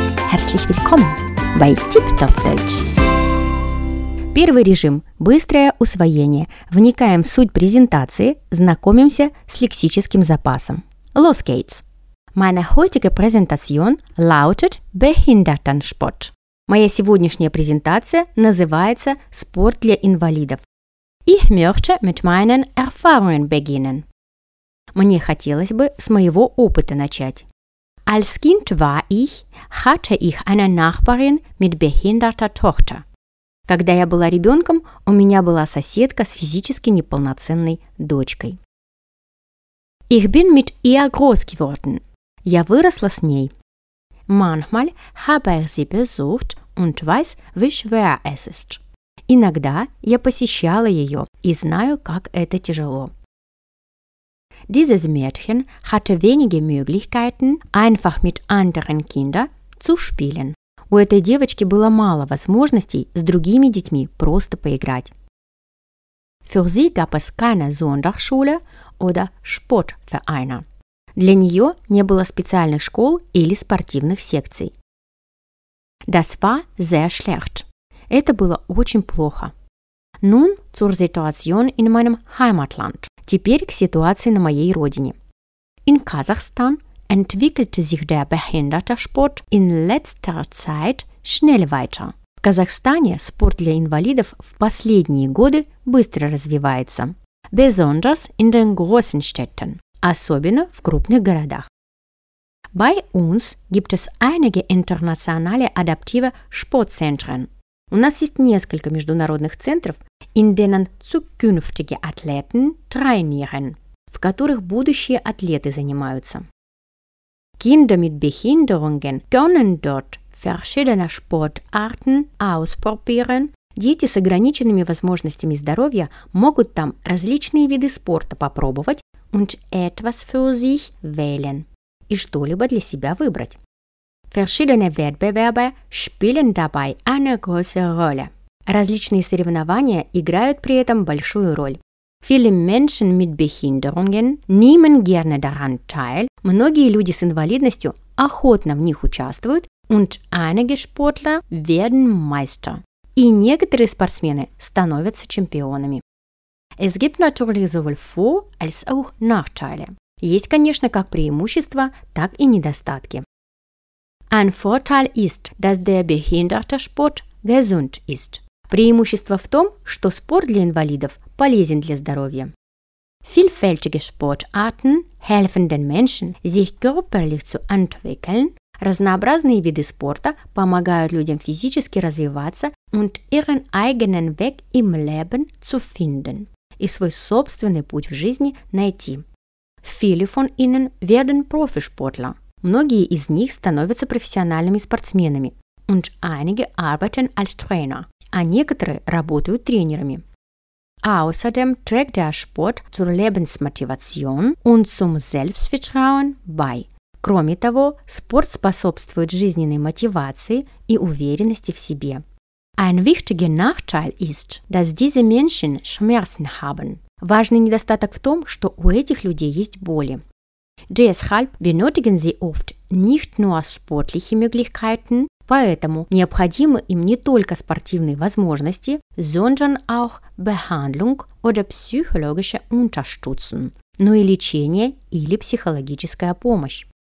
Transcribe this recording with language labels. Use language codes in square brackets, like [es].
[de] Herzlich willkommen bei Tip-Top Deutsch. [ru] Первый режим – быстрое усвоение. Вникаем в суть презентации, знакомимся с лексическим запасом. [de] Los geht's. Meine heutige Präsentation lautet Behindertensport. [ru] Моя сегодняшняя презентация называется «Спорт для инвалидов». [de] Ich möchte mit meinen Erfahrungen beginnen. [ru] Мне хотелось бы с моего опыта начать. [de] Als Kind war ich, hatte ich eine Nachbarin mit behinderter Tochter. [ru] Когда я была ребенком, у меня была соседка с физически неполноценной дочкой. [de] Ich bin mit ihr groß geworden. [ru] Я выросла с ней. [de] Manchmal habe ich sie besucht und weiß, wie schwer es ist. [ru] Иногда я посещала ее и знаю, как это тяжело. [de] Dieses Mädchen hatte wenige Möglichkeiten, einfach mit anderen Kindern zu spielen. [ru] У этой девочки было мало возможностей с другими детьми просто поиграть. [de] Für sie gab es keine Sonderschule oder Sportvereine. [ru] Для нее не было специальных школ или спортивных секций. [de] Das war sehr schlecht. [ru] Это было очень плохо. [de] Nun zur Situation in meinem Heimatland. [ru] Теперь к ситуации на моей родине. [de] In Kasachstan entwickelte sich der Behindertensport in letzter Zeit schnell weiter. [ru] В Казахстане спорт для инвалидов в последние годы быстро развивается. [de] Besonders in den großen Städten. [ru] Особенно в крупных городах. [de] Bei uns gibt es einige internationale adaptive Sportzentren. [ru] У нас есть несколько международных центров, [de] in denen zukünftige Athleten trainieren, [ru] в которых будущие атлеты занимаются. [de] Kinder mit Behinderungen können dort verschiedene Sportarten ausprobieren. [ru] Дети с ограниченными возможностями здоровья могут там различные виды спорта попробовать [de] und etwas für sich wählen [ru] и что-либо для себя выбрать. [de] Verschiedene Wettbewerbe spielen dabei eine große Rolle. [ru] Различные соревнования играют при этом большую роль. [de] Viele Menschen mit Behinderungen nehmen gerne daran teil. [ru] Многие люди с инвалидностью охотно в них участвуют. [de] Und einige Sportler werden Meister. [ru] И некоторые спортсмены становятся чемпионами. [de] Es gibt natürlich sowohl Vor- als auch Nachteile. [ru] Есть, конечно, как преимущества, так и недостатки. [de] Ein Vorteil ist, dass der Behindertensport gesund ist. [ru] Преимущество в том, что спорт для инвалидов полезен для здоровья. [de] Vielfältige Sportarten helfen den Menschen, sich körperlich zu entwickeln. [ru] Разнообразные виды спорта помогают людям физически развиваться [de] und ihren eigenen Weg im Leben zu finden. [ru] И свой собственный путь в жизни найти. [de] Viele von ihnen werden Profisportler. [ru] Многие из них становятся профессиональными спортсменами. [de] Und einige arbeiten als Trainer. [ru] А некоторые работают тренерами. [de] Außerdem trägt der Sport zur Lebensmotivation und zum Selbstvertrauen bei. [ru] Кроме того, спорт способствует жизненной мотивации и уверенности в себе. [de] Ein wichtiger Nachteil ist, dass diese Menschen Schmerzen haben. [ru] Важный недостаток в том, что у этих людей есть боли. [de] Deshalb benötigen sie oft nicht nur sportliche Möglichkeiten, [ru] поэтому необходимы им не только спортивные возможности, [de] sondern auch Behandlung oder psychologische Unterstützung, [ru] но и лечение или психологическая помощь.